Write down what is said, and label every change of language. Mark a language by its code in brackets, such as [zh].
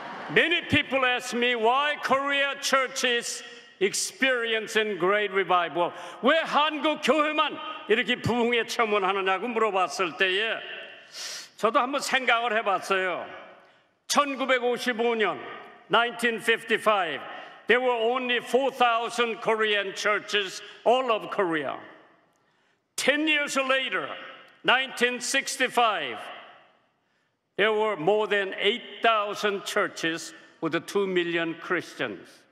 [en] Many people ask me why Korea churches experiencing great revival. [ko] 왜 한국 교회만 이렇게 부흥에 체험하느냐고 물어봤을 때에 저도 한번 생각을 해봤어요. [en] 1955년, 1955, there were only 4,000 Korean churches all of Korea. 10 years later, 1965, there were more than 8,000 churches with 2 million Christians.